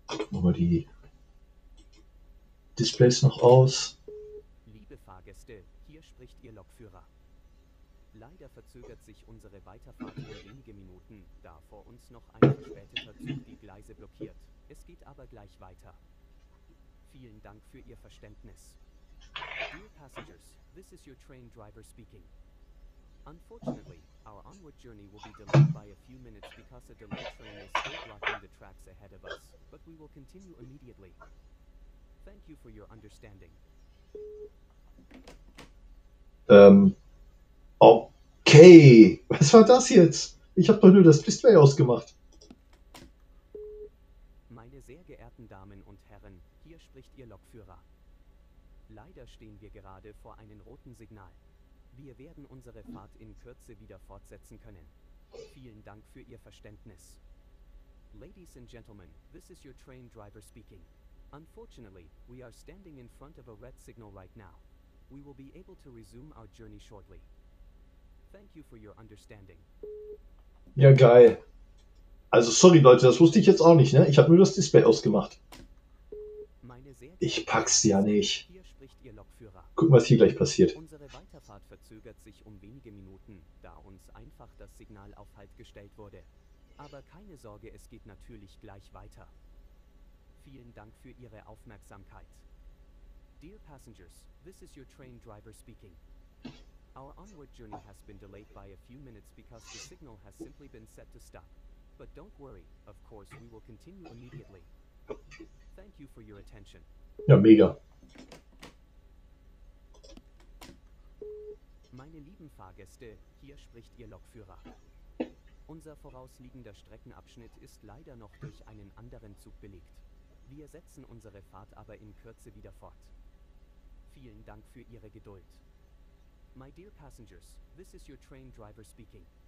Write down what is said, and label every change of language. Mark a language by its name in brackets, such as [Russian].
[German] Machen wir die Displays noch aus. Liebe Fahrgäste, hier spricht Ihr Lokführer. Leider verzögert sich unsere Weiterfahrt nur wenige Minuten, da vor uns noch ein verspäteter Zug die Gleise blockiert. Es geht aber gleich weiter. Vielen Dank für Ihr Verständnis. [English] Dear passengers, this is your train driver speaking. Unfortunately, our onward journey will be delayed by a few minutes because a delayed train is still blocking the tracks ahead of us, but we will continue immediately. Thank you for your understanding. [German] Okay, was war das jetzt? Ich habe doch nur das Display ausgemacht. Meine sehr geehrten Damen und Herren, hier spricht Ihr Lokführer. Leider stehen wir gerade vor einem roten Signal. Wir werden unsere Fahrt in Kürze wieder fortsetzen können. Vielen Dank für Ihr Verständnis. [English] Ladies and Gentlemen, this is your train driver speaking. Unfortunately, we are standing in front of a red signal right now. We will be able to resume our journey shortly. Thank you for your understanding. [German] Ja, geil. Also sorry Leute, das wusste ich jetzt auch nicht, ne? Ich habe nur das Display ausgemacht. Ich pack's ja nicht. Guck mal, was hier gleich passiert. Unsere Weiterfahrt verzögert sich um wenige Minuten, da uns einfach das Signal auf Halt gestellt wurde. Aber keine Sorge, es geht natürlich gleich weiter. Vielen Dank für Ihre Aufmerksamkeit. [English] Dear passengers, this is your train driver speaking. Our onward journey has been delayed by a few minutes because the signal has simply been set to stop. But don't worry, of course we will continue immediately. Thank you for your attention. [German] Ja, mega. Meine lieben Fahrgäste, hier spricht Ihr Lokführer. Unser vorausliegender Streckenabschnitt ist leider noch durch einen anderen Zug belegt. Wir setzen unsere Fahrt aber in Kürze wieder fort. Vielen Dank für Ihre Geduld. [English] My dear passengers, this is your train driver speaking.